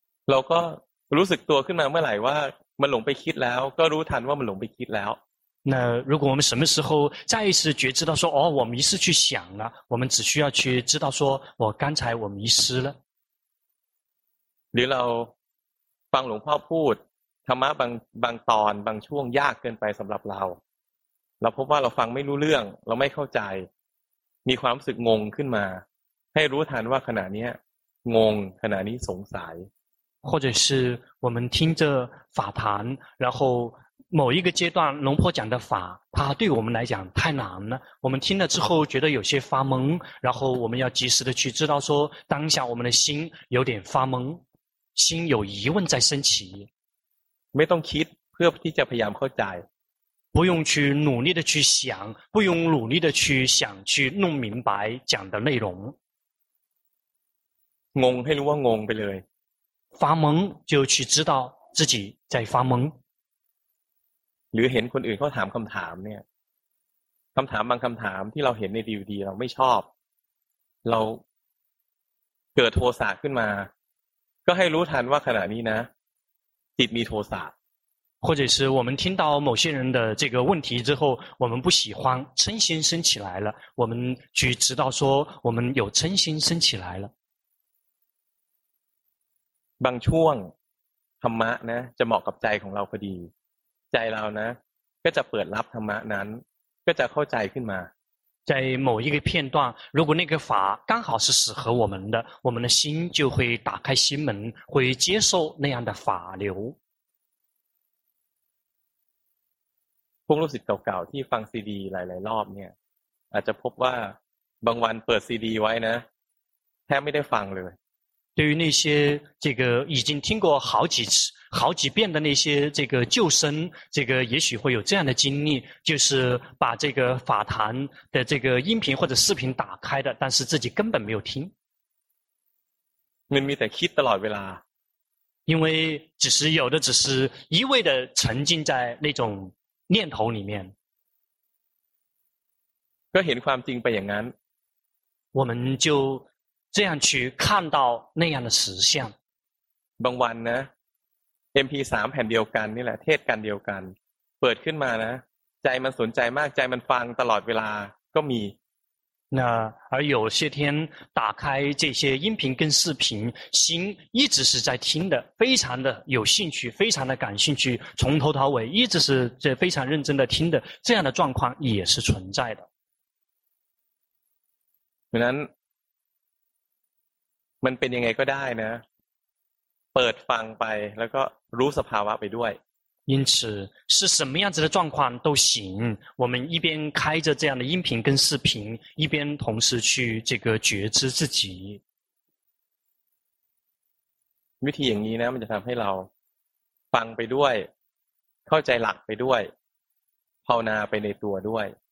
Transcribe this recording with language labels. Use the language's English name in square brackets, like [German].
[Thai] เราก็รู้สึกตัวขึ้นมาเมื่อไหร่ว่ามันหลงไปคิดแล้วก็รู้ทันว่ามันหลงไปคิดแล้ว [Chinese] 那如果我们什么时候再一次觉知到说哦我迷失去想了我们只需要去知道说我刚才我迷失了 [Thai] หรือเราฟังหลวงพ่อพูดธรรมะบางตอนบางช่วงยากเกินไปสำหรับเราเราพบว่าเราฟังไม่รู้เรื่องเราไม่เข้าใจมีความรู้สึกงงขึ้นมาให้รู้ทันว่าขณะนี้งงขณะนี้สงสัย [Chinese] 或者是我们听着法谈然后某一个阶段龙婆讲的法它对我们来讲太难了我们听了之后觉得有些发懵然后我们要及时的去知道说当下我们的心有点发懵心有疑问在升起 [Thai] ไม่ต้องคิดเพื่อที่จะพยายามเข้าใจ [Chinese] 不用去努力的去想不用努力的去想去弄明白讲的内容 [Thai] งงให้รู้ว่างงไปเลย ฟ้ามง [Chinese] 就去知道自己在发懵 [Thai] หรือเห็นคนอื่นเขาถามคำถามเนี่ยคำถามบางคำถามที่เราเห็นในดีวีดีเราไม่ชอบเราเกิดโทสะขึ้นมาก็ให้รู้ทันว่าขณะนี้นะจิตมีโทสะ [Chinese] 或者是我们听到某些人的这个问题之后我们不喜欢嗔心升起来了我们去知道说我们有嗔心升起来了 [Thai] บางช่วงธรรมะนะจะเหมาะกับใจของเราพอดีใจเรานะก็จะเปิดรับธรรมะนั้นก็จะเข้าใจขึ้นมา [Chinese] 在某一个片段如果那个法刚好是适合我们的我们的心就会打开心门会接受那样的法流 [Thai] พวกลูกศิษย์เก่าๆที่ฟังซีดีหลายๆรอบเนี่ยอาจจะพบว่าบางวันเปิดซีดีไว้นะแทบไม่ได้ฟังเลย [Chinese] 对于那些这个已经听过好几次好几遍的那些这个旧生这个也许会有这样的经历就是把这个法坛的这个音频或者视频打开的但是自己根本没有听 [Thai] มันมีแต่คิดตลอดเวลา [Chinese] 因为只是有的只是一味的沉浸在那种念头里面 [Thai] ก็เห็นความจริงไปอย่างนั้น [Chinese] 我们就这样去看到那样的实相 [Thai] บางวันนะ MP3 แผ่นเดียวกันนี่แหละเทศกันเดียวกันเปิดขึ้นมานะใจมันสนใจมากใจมันฟังตลอดเวลาก็มี [Chinese] 那而有些天打开这些音频跟视频心一直是在听的非常的有兴趣非常的感兴趣从头到尾一直是在非常认真的听的这样的状况也是存在的 [Thai] ฉะนั้นมันเป็นยังไงก็ได้นะเปิดฟังไปแล้วก็รู้สภาวะไปด้วย [Chinese] 因此是什么样子的状况都行我们一边开着这样的音频跟视频一边同时去这个觉知自己 [Thai] วิธีอย่างนี้นะมันจะทำให้เราฟังไปด้วยเข้าใจหลักไปด้วยภาวนาไปในตัวด้วย